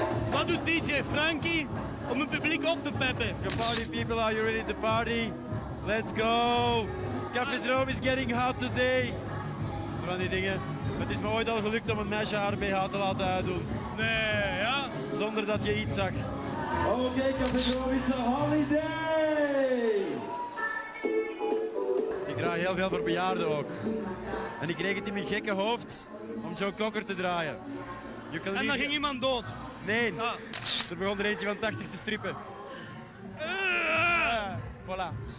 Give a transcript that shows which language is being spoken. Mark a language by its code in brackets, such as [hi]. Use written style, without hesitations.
[nl] Wat doet DJ Franky om het publiek op te peppen? [en] Your party people, are you ready to party? Let's go! Café Droom is getting hot today. [nl] Dat is van die dingen. Het is me ooit al gelukt om een meisje haar BH te laten uitdoen. Nee, ja? Zonder dat je iets zag. [en] Oké, Café Droom, it's a holiday! [nl] Ik draai heel veel voor bejaarden ook. En ik kreeg het in mijn gekke hoofd om Joe Cocker te draaien. En dan ging iemand dood? Nee. Ah. Er begon er eentje van 80 te strippen. Voilà.